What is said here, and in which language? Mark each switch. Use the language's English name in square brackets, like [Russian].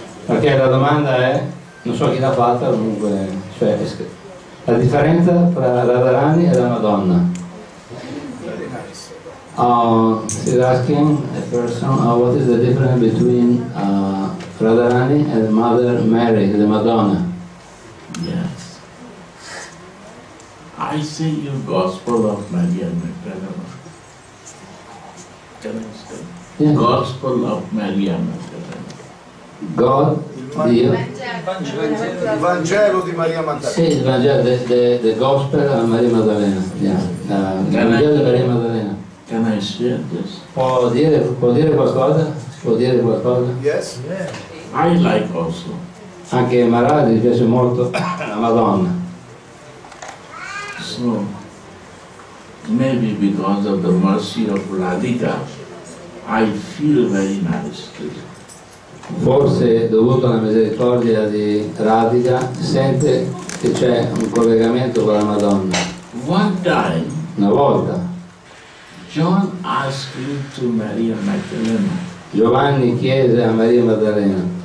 [Italian] Okay, la domanda è, non so chi l'ha fatta, comunque, cioè, la differenza tra Radharani e la Madonna. [English] She's asking a person, what is the difference between Radharani and Mother Mary, the Madonna? Yes. I see your Gospel of Mary and Magdalena. Can I say? Yes. Gospel of Mary and Magdalena. God, Dio. [Italian] Vangelo di Maria Magdalena. Sì, il Vangelo, [English] the Gospel of Mary Magdalena. [Italian] Yeah. Il Vangelo di Maria Magdalena. [English] Can I share this? [Italian] Può dire qualcosa? Può dire qualcosa? [English] Yes. Yeah. I like also. [Italian] Anche Maradi piace molto la Madonna. [English] So, maybe because of the mercy of Radhika, I feel very nice. [Italian] Forse dovuto alla misericordia di Radhika, sente che c'è un collegamento con la Madonna. [English] One time. [Italian] Una volta. [English] John asked you to Maria Magdalena. [Italian] Giovanni chiese a Maria Maddalena.